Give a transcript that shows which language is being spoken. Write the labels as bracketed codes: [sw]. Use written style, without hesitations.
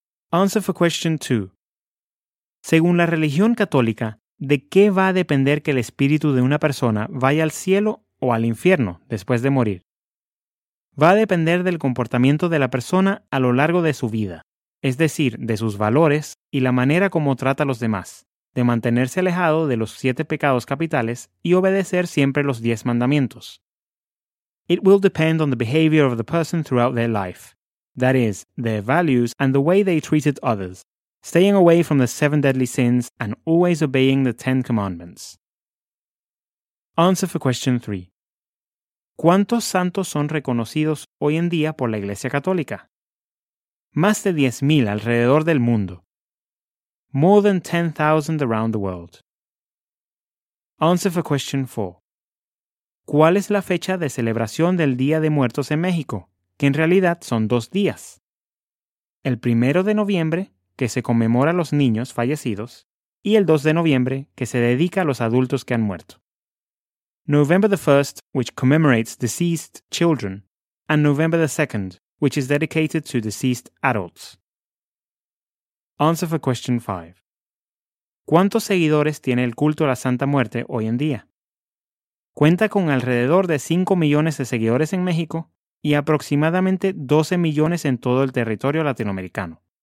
[en] Answer for question 2. [es] Según la religión católica, ¿de qué va a depender que el espíritu de una persona vaya al cielo o al infierno después de morir? Va a depender del comportamiento de la persona a lo largo de su vida, es decir, de sus valores y la manera como trata a los demás, de mantenerse alejado de los 7 pecados capitales y obedecer siempre los 10 mandamientos. [en] It will depend on the behavior of the person throughout their life. That is, their values and the way they treated others, staying away from the 7 deadly sins and always obeying the 10 commandments. Answer for question 3. [es] ¿Cuántos santos son reconocidos hoy en día por la Iglesia Católica? Más de 10,000 alrededor del mundo. [en] More than 10,000 around the world. Answer for question 4. [es] ¿Cuál es la fecha de celebración del Día de Muertos en México, que en realidad son 2 días? El 1 de noviembre, que se conmemora a los niños fallecidos, y el 2 de noviembre, que se dedica a los adultos que han muerto. [en] November the 1st, which commemorates deceased children, and November the 2nd, which is dedicated to deceased adults. Answer for question 5. [es] ¿Cuántos seguidores tiene el culto a la Santa Muerte hoy en día? Cuenta con alrededor de 5 millones de seguidores en México y aproximadamente 12 millones en todo el territorio latinoamericano.